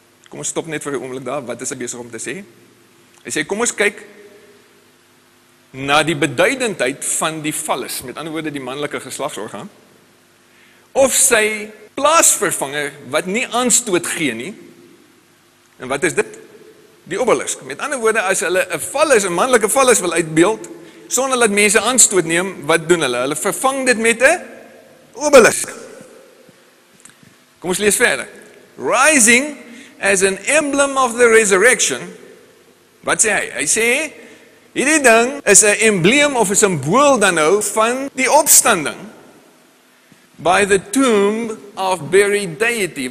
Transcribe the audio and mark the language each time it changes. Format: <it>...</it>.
<af>Kom ons stop net vir die oomblik daar, wat is hy besig om te sê? Hy sê, kom ons kyk na die beduidendheid van die phallus, met ander woorde die mannelike geslagsorgaan, of sy plaasvervanger, wat nie aanstoot gee nie, en wat is dit? Die obelisk. Met ander woorde, as hulle een phallus, een mannelike phallus wil uitbeeld, sonder dat mense aanstoot neem, wat doen hulle? Hulle vervang dit met een obelisk. Kom ons lees verder.</af> <en>Rising as an emblem of the resurrection,</en> <af>wat sê hy? Hy sê, hierdie ding is een embleem of een symbool dan nou van die opstanding</af> <en>by the tomb of buried deity.</en>